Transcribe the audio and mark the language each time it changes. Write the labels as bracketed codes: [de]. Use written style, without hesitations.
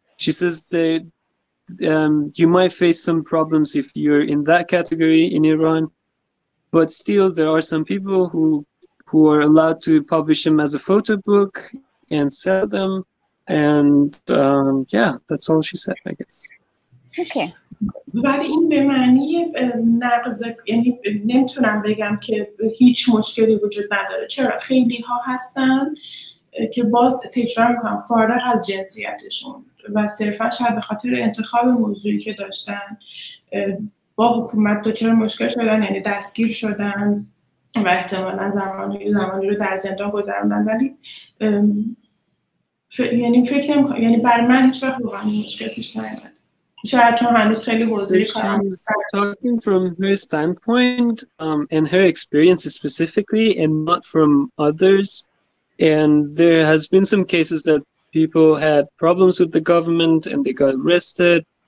[en] She says that you might face some problems if you're in that category in Iran, but still there are some people who are allowed to publish them as a photo book and sell them. And that's all she said, I guess. Okay. [fa] ولی این به معنی نقض، یعنی نمیتونم بگم که هیچ مشکلی وجود نداره. چرا؟ خیلی ها هستن که باز تکرار میکنم فارغ از جنسیتشون و صرفا شاید به خاطر انتخاب موضوعی که داشتن با حکومت دچار مشکل شدن، یعنی دستگیر شدن و احتمالا زمانی رو در زندان گذروندن، ولی یعنی فکر نمی کنم، یعنی برای من هیچ وقت واقعا مشکلی پیش نیومد. [en] She's talking from her standpoint and her experience specifically and not from others. And there has been some cases that people had problems with the government and they got arrested.